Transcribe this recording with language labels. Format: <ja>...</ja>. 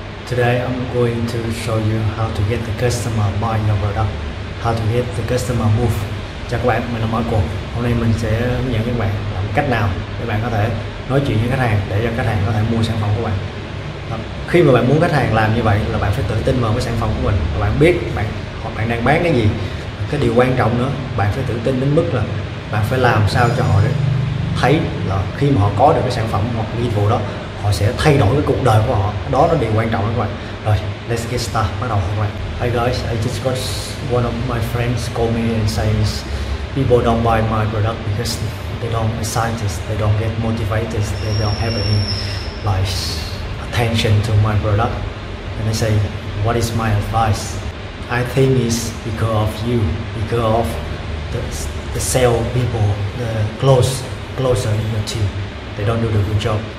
<en>Today I'm going to show you how to get the customer buy your product, how to get the customer move.</en> <vi>Chào các bạn, mình là Michael. Hôm nay mình sẽ hướng dẫn các bạn làm cách nào để bạn có thể nói chuyện với khách hàng để cho khách hàng có thể mua sản phẩm của bạn. Khi mà bạn muốn khách hàng làm như vậy là bạn phải tự tin vào cái sản phẩm của mình, và bạn biết bạn đang bán cái gì. Cái điều quan trọng nữa, bạn phải tự tin đến mức là bạn phải làm sao cho họ thấy là khi mà họ có được cái sản phẩm hoặc dịch vụ đó, họ sẽ thay đổi cái cuộc đời của họ. Đó là điều quan trọng các bạn. Rồi,</vi> <en>let's get started,</en> <vi>bắt đầu các bạn.</vi> <en>Hi guys, I just got one of my friends call me and says people don't buy my product because they don't excite, they don't get motivated, they don't have any like attention to my product. And I say, what is my advice? I think it's because of you, because of the sale people, the closer in your team, they don't do the good job.</en>